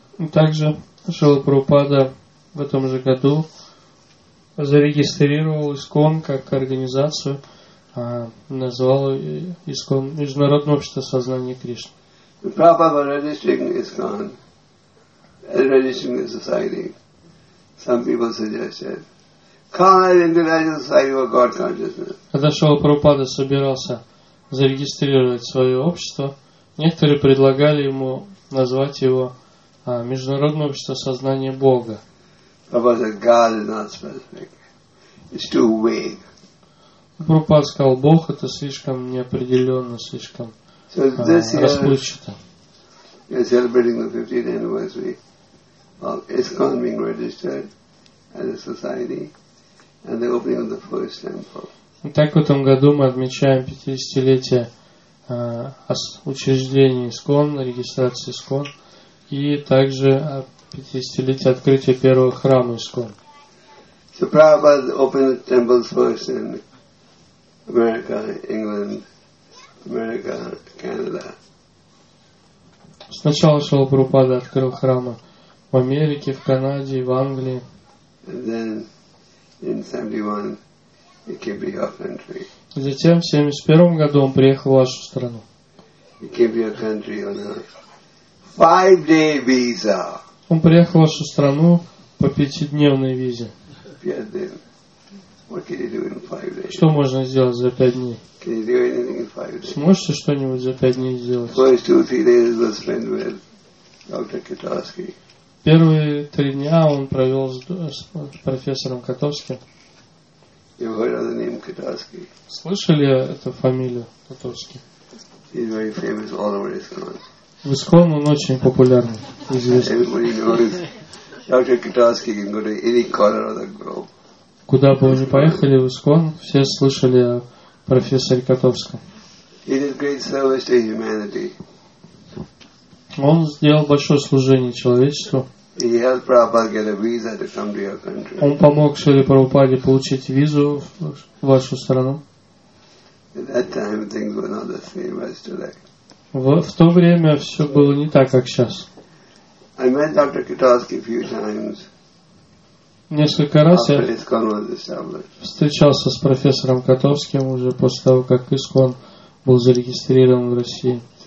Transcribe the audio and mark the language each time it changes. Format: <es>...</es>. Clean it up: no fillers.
<ru>Также Шрила Прабхупада в этом же году зарегистрировал ИСККОН как организацию, назвал ИСККОН Международное общество сознания Кришны.</ru> <en>Prabhupada was registering ISKCON as registering the society. Some people suggested, call it International Society for God Consciousness.</en> <ru>Когда Шрила Прабхупада собирался зарегистрировать свое общество, некоторые предлагали ему назвать его Международное общество сознания Бога.</ru> <en>Prabhupada said, God is not specific. It's too vague.</en> <ru>Прабхупада сказал, Бог это слишком неопределенно, слишком расплывчато.</ru> <en>We are celebrating the 50th anniversary of ISKCON being registered as a society and the opening of the first temple.</en> <ru>Итак, в этом году мы отмечаем 50-летие учреждения ИСККОН, регистрации ИСККОН и также 50-летие открытия первого храма ИСККОН.</ru> <en>So Prabhupada opened the temples first in America, England, America, Canada.</en> <ru>Сначала Шрила Прабхупада открыл храмы в Америке, в Канаде, в Англии.</ru> <en>And then in 71 he came to your country.</en> <ru>Затем в 71 году он приехал в вашу страну.</ru> <en>He came to your country on a 5-day visa.</en> <ru>Он приехал в вашу страну по 5-дневной визе.</ru> <en>What can you do in 5 days?</en> <ru>Что можно сделать за 5 дней?</ru> <en>Can you do anything in 5 days?</en> <ru>Сможете что-нибудь за 5 дней сделать?</ru> <en>First 2-3 days was spent with Dr. Katowski.</en> <ru>Первые 3 дня он провел с профессором Котовским.</ru> <en>You heard of the name Katowski?</en> <ru>Слышали эту фамилию Котовски?</ru> <en>He's very famous all over his country.</en> <ru>В ИСККОН он очень популярный, известный.</ru> <en>Everybody knows Dr. Katowski can go to any corner of the globe.</en> <ru>Куда бы вы ни поехали в ИСККОН, все слышали о профессоре Котовском.</ru> <en>He did great service to humanity.</en> <ru>Он сделал большое служение человечеству.</ru> <en>He helped Prabhupada get a visa to come to your country.</en> <ru>Он помог Шриле Прабхупаде получить визу в вашу страну.</ru> <en>At that time things were not the same as today.</en> <ru>В то время все было не так, как сейчас.</ru> <en>I met Dr. Katowski a few times.</en> <ru>Несколько раз я встречался с профессором Котовским уже после того, как ИСККОН был зарегистрирован в России.</ru>